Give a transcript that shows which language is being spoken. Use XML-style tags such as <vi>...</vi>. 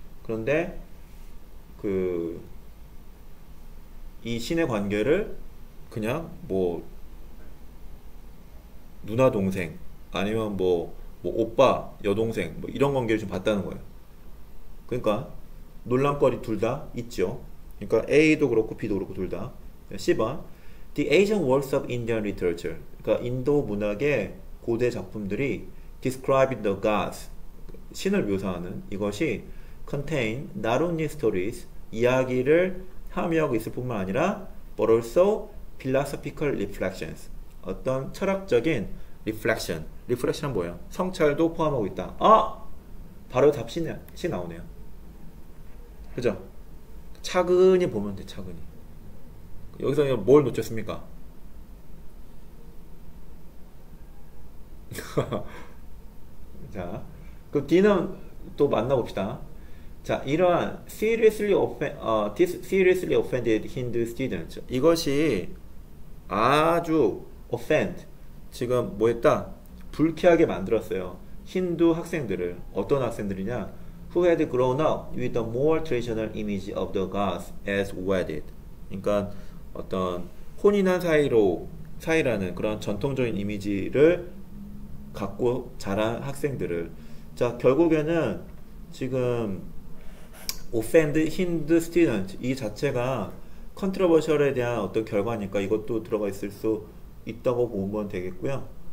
<ko>그런데 그이 신의 관계를 그냥 뭐 누나 동생 아니면 뭐 오빠, 여동생 뭐 이런 관계를 좀 봤다는 거예요. 그러니까 논란거리 둘다 있죠. 그러니까 A도 그렇고 B도 그렇고 둘 다. 10번</ko> <en>The Asian works of Indian literature.</en> <ko>그러니까 인도 문학의 고대 작품들이</ko> <en>describing the gods</en> <ko>신을 묘사하는 이것이</ko> <en>contain not only stories</en> <ko>이야기를 함유하고 있을 뿐만 아니라</ko> <en>but also philosophical reflections</en> <ko>어떤 철학적인 Reflection. Reflection은 뭐예요? 성찰도 포함하고 있다. 바로 답신이 나오네요. 그죠? 차근히 보면 돼, 차근히. 여기서 뭘 놓쳤습니까? 자, 그 D는 또 만나봅시다. 자, 이러한</ko> <en>seriously this seriously offended Hindu students.</en> <ko>이것이 아주 offend. 지금 뭐 했다? 불쾌하게 만들었어요. 힌두 학생들을 어떤 학생들이냐?</ko> <en>Who had grown up with a more traditional image of the gods as wedded.</en> <ko>그러니까 어떤 혼인한 사이라는 그런 전통적인 이미지를 갖고 자란 학생들을. 자, 결국에는 지금</ko> <en>offend Hindu students</en> <ko>이 자체가 controversial에 대한 어떤 결과니까 이것도 들어가 있을 수 있다고 보면 되겠고요.</ko>